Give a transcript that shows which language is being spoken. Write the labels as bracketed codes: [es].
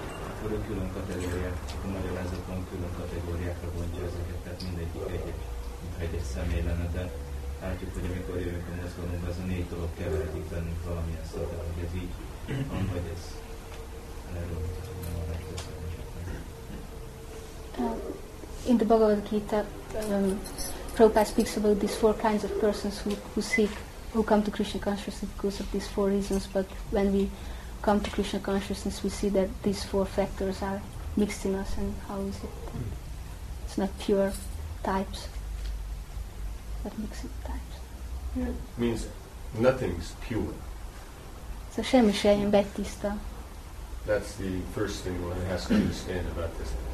[hu] Akkor ő külön kategóriák, a magyarázatban külön kategóriákra bontja ezeket, tehát mindegyik egy-egy személy lenne, de látjuk, hogy amikor jövünk a mozgalomba, ez a négy dolog keveredik bennünk valamilyen szóval, hogy ez így van, vagy ez erről nem a legtöbb. [en] In the Bhagavad Gita, Prabhupada speaks about these four kinds of persons who seek, who come to Krishna consciousness because of these four reasons. But when we come to Krishna consciousness, we see that these four factors are mixed in us. And how is it? It's not pure types. What makes it types? It means nothing's pure. [hu] So semmi se ilyen betiszta. [en] That's the first thing one has to understand about this.